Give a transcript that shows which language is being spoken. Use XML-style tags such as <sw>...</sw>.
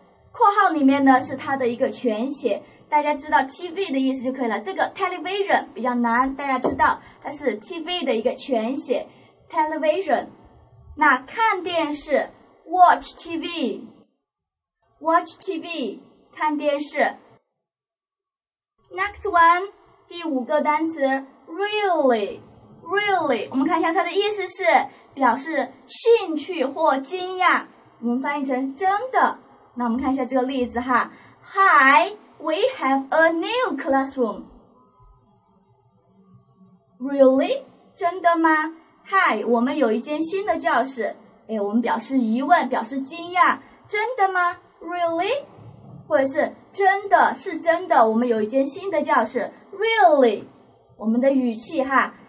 <zh>括号里面呢是它的一个全写，大家知道 TV 的意思就可以了。这个 television 比较难，大家知道它是 TV 的一个全写。television. 那看电视 watch TV. Watch TV, 看电视。</zh> <en>Next one,</en> <zh>第五个单词 really. Really, 我们看一下它的意思是表示兴趣或惊讶。我们翻译成真的。那我们看一下这个例子哈。</zh> <en>Hi, we have a new classroom. Really?</en> <zh>真的吗 ?Hi, 我们有一间新的教室。哎，我们表示疑问，表示惊讶。真的吗 ?Really? 或者是真的是真的，我们有一间新的教室。 Really? 我们的语气哈。</zh>